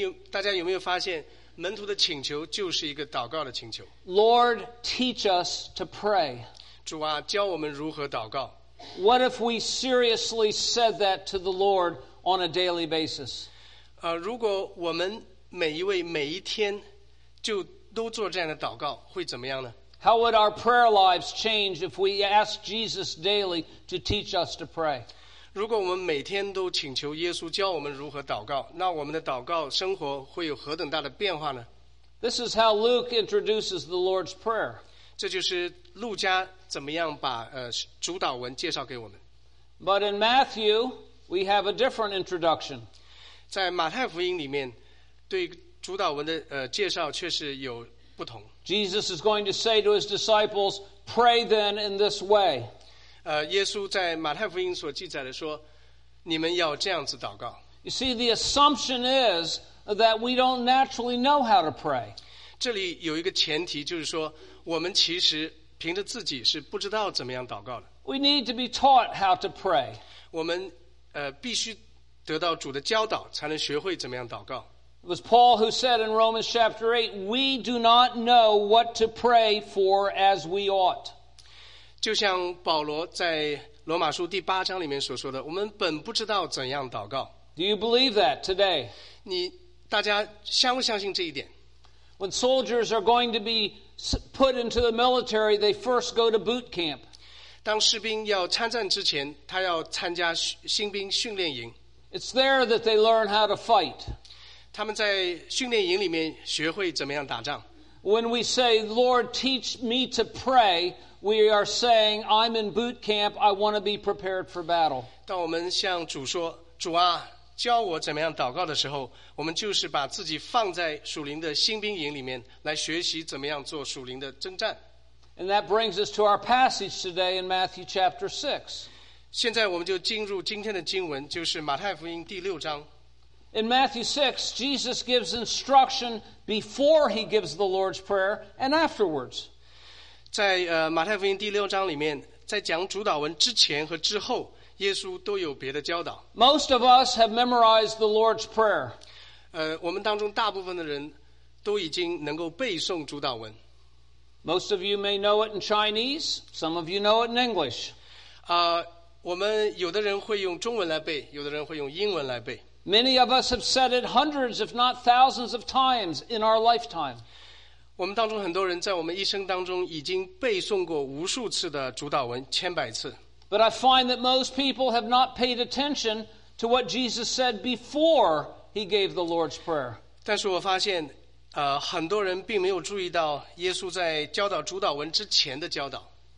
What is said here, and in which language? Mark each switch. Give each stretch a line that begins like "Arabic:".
Chinese: 大家有没有发现门徒的请求就是一个祷告的请求。
English: Lord, teach us to pray.
Chinese: 主啊，教我们如何祷告。
English: What if we seriously said that to the Lord on a daily basis?
Chinese: 如果我们每一位每一天就都做这样的祷告，会怎么样呢？
English: How would our prayer lives change if we asked Jesus daily to teach us to pray?
Chinese: 如果我们每天都请求耶稣教我们如何祷告，那我们的祷告生活会有何等大的变化呢？
English: This is how Luke introduces the Lord's Prayer.
Chinese: 这就是路加怎么样把主导文介绍给我们。
English: But in Matthew, we have a different introduction.
Chinese: 在马太福音里面，对主导文的介绍却是有不同。
English: Jesus is going to say to his disciples, "Pray then in this way."
Chinese: 耶稣在马太福音所记载的说，你们要这样子祷告。
English: You see, the assumption is that we don't naturally know how to pray.
Chinese: 这里有一个前提，就是说我们其实凭着自己是不知道怎么样祷告的。
English: We need to be taught how to pray.
Chinese: 我们必须得到主的教导，才能学会怎么样祷告。
English: It was Paul who said in Romans chapter 8, we do not know what to pray for as we ought.
Chinese: 就像保罗在罗马书第八章里面所说的，我们本不知道怎样祷告。
English: Do you believe that today?
Chinese: 你大家相不相信这一点？
English: When soldiers are going to be put into the military, they first go to boot camp.
Chinese: 当士兵要参战之前，他要参加新兵训练营。
English: It's there that they learn how to fight.
Chinese: 他们在训练营里面学会怎么样打仗。
English: When we say, Lord, teach me to pray, we are saying, I'm in boot camp, I want to be prepared for battle.
Chinese: 当我们向主说，主啊，教我怎么样祷告的时候，我们就是把自己放在属灵的新兵营里面，来学习怎么样做属灵的征战。
English: And that brings us to our passage today in Matthew chapter 6.
Chinese: 现在我们就进入今天的经文，就是马太福音第六章。
English: In Matthew 6, Jesus gives instruction before he gives the Lord's Prayer and afterwards.
Chinese: 在马太福音第六章里面，在讲主祷文之前和之后，耶稣都有别的教导。
English: Most of us have memorized the Lord's Prayer.
Chinese: 我们当中大部分的人都已经能够背诵主祷文。
English: Most of you may know it in Chinese. Some of you know it in English.
Chinese: 我们有的人会用中文来背，有的人会用英文来背。
English: Many of us have said it hundreds, if not thousands of times in our lifetime.
Chinese: 我们当中很多人在我们一生当中已经背诵过无数次的主祷文，千百次。
English: But I find that most people have not paid attention to what Jesus said before he gave the Lord's Prayer.
Chinese: 但是我发现，很多人并没有注意到耶稣在教导主祷文之前的教导。